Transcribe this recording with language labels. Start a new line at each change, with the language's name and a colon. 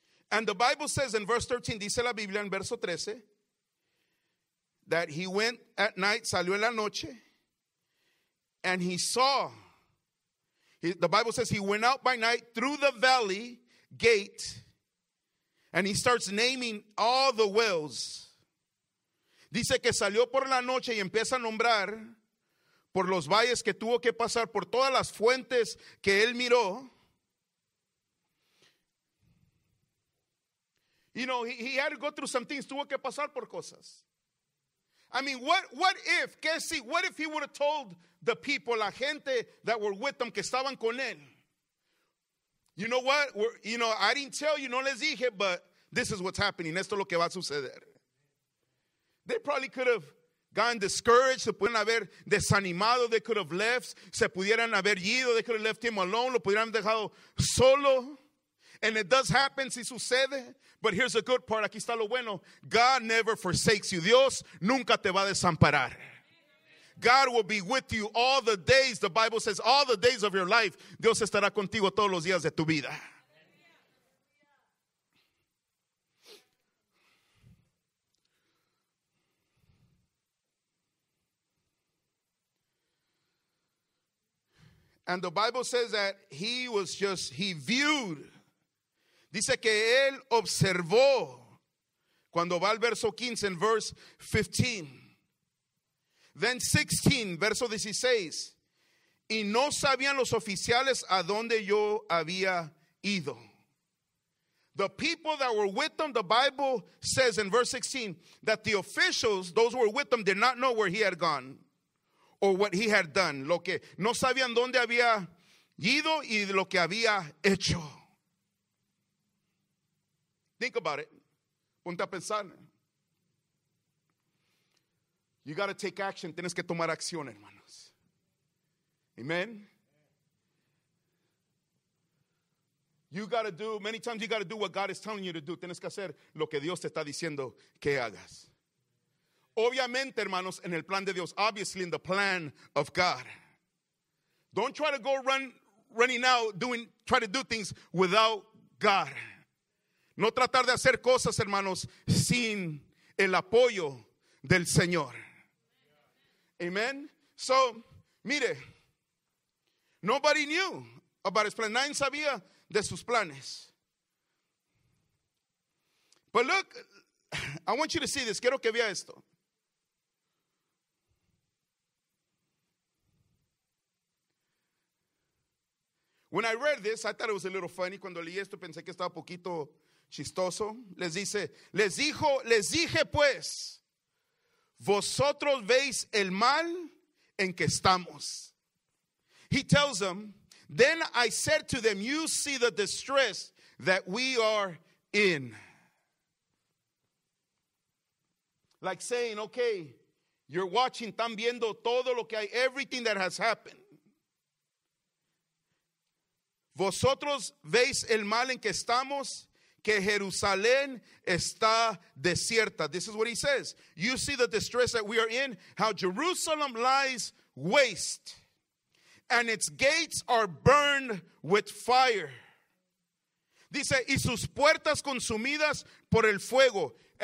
English: And the Bible says in verse 13,
Spanish: dice la Biblia en verso 13,
English: that he went at night,
Spanish: salió en la noche,
English: and he saw, the Bible says he went out by night through the valley gate, and he starts naming all the wells.
Spanish: Dice que salió por la noche y empieza a nombrar por los valles que tuvo que pasar, por todas las fuentes que él miró.
English: You know, he had to go through some things.
Spanish: Tuvo que pasar por cosas.
English: I mean, what if, Casey, what if he would have told the people,
Spanish: la gente
English: that were with him,
Spanish: que estaban con él?
English: You know what? I didn't tell you,
Spanish: no les dije,
English: but this is what's happening.
Spanish: Esto es lo que va a suceder.
English: They probably could have gotten discouraged.
Spanish: Se pudieran haber desanimado.
English: They could have left.
Spanish: Se pudieran haber ido.
English: They could have left him alone.
Spanish: Lo pudieran dejado solo.
English: And it does happen,
Spanish: si sucede.
English: But here's the good part.
Spanish: Aquí está lo bueno.
English: God never forsakes you.
Spanish: Dios nunca te va a desamparar.
English: God will be with you all the days. The Bible says all the days of your life.
Spanish: Dios estará contigo todos los días de tu vida.
English: And the Bible says that he was just, he viewed.
Spanish: Dice que él observó. Cuando va al verso 15, en verse 15.
English: Then 16, verso 16.
Spanish: Y no sabían los oficiales a donde yo había ido.
English: The people that were with them, the Bible says in verse 16, that the officials, those who were with them, did not know where he had gone. Or what he had done.
Spanish: Lo que no sabían dónde había ido y lo que había hecho.
English: Think about it.
Spanish: Ponte a pensar.
English: You got to take action.
Spanish: Tienes que tomar acción, hermanos.
English: Amen. You got to do, many times you got to do what God is telling you to do.
Spanish: Tienes que hacer lo que Dios te está diciendo que hagas. Obviamente, hermanos, en el plan de Dios.
English: Obviously, in the plan of God. Don't try to go running out, try to do things without God.
Spanish: No tratar de hacer cosas, hermanos, sin el apoyo del Señor.
English: Amen. So, mire, nobody knew about his plan.
Spanish: Nadie sabía de sus planes.
English: But look, I want you to see this.
Spanish: Quiero que vea esto.
English: When I read this, I thought it was a little funny.
Spanish: Cuando leí esto, pensé que estaba poquito chistoso. Les dice, les dije pues, vosotros veis el mal en que estamos.
English: He tells them, then I said to them, you see the distress that we are in. Like saying, okay, you're watching,
Spanish: están viendo todo lo que hay,
English: everything that has happened.
Spanish: Vosotros veis el mal en que estamos, que Jerusalén está desierta.
English: This is what he says. You see the distress that we are in, how Jerusalem lies waste, and its gates are burned with fire.
Spanish: Dice, y sus puertas consumidas por el fuego.